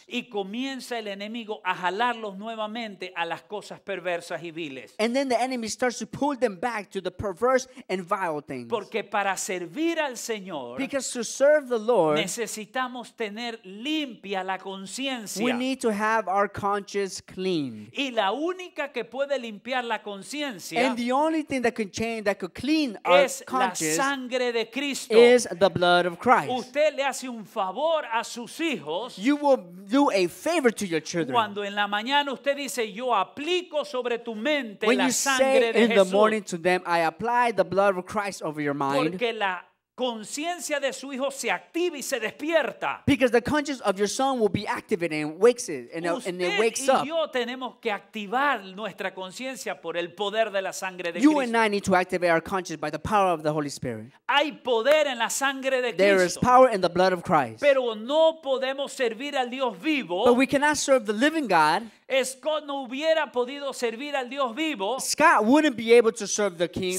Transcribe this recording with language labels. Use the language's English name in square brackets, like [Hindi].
[Spanish] y comienza el enemigo a jalarlos nuevamente a las cosas perversas y viles. [English] And then the enemy starts to pull them back to the perverse and vile things. [Spanish] Porque para servir al Señor, [English] because to serve the Lord, [Spanish] necesitamos tener limpia la conciencia. [English] We need to have our conscience clean. [Spanish] Y la única que puede limpiar la conciencia, [English] and the only thing that can change, that could clean [Spanish] es [English] our conscience, [Spanish] la sangre de Cristo, [English] is the blood of Christ. [Spanish] Usted le hace un favor a sus hijos. [English] You will do a favor to your children. [Spanish] Cuando en la mañana usted dice, yo aplico sobre tu mente [English] when [Spanish] la [English] you [Spanish] sangre de [English] in [Spanish] Jesús. [English] The morning to them, I apply the blood of Christ over your mind. [Spanish] Porque la conciencia de su hijo se activa y se despierta. [English] Because the conscience of your son will be activated and wakes it and, [Spanish] usted [English] and it wakes up. [Spanish] Y yo tenemos que activar nuestra conciencia por el poder de la sangre de [English] you You and I need to activate our conscience by the power of the Holy Spirit. [Spanish] Hay poder en la sangre de [English] there [Spanish] Cristo. [English] There is power in the blood of Christ. [Spanish] Pero no podemos servir al Dios vivo. [English] But we cannot serve the living God. [Spanish] Scott no hubiera podido servir al Dios vivo. [English] Scott wouldn't be able to serve the King, the